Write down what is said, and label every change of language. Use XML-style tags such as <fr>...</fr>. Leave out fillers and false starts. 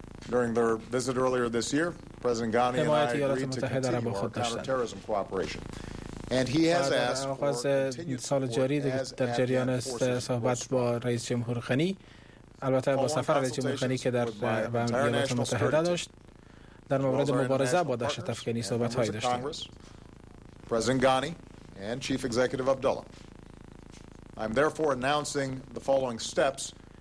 <en>During their visit earlier this year, President Ghani and I agreed to continue our counterterrorism cooperation. And he has asked</en> <fa>سال جاری در جریان است صحبت با رئیس جمهور غنی، البته با سفر رئیس جمهور غنی که در ایالات متحده داشت، در مورد مبارزه با دهشت افغانی صحبت هایی داشت.</fa> <en>President Ghani and Chief Executive Abdullah. I'm therefore announcing the following steps</en>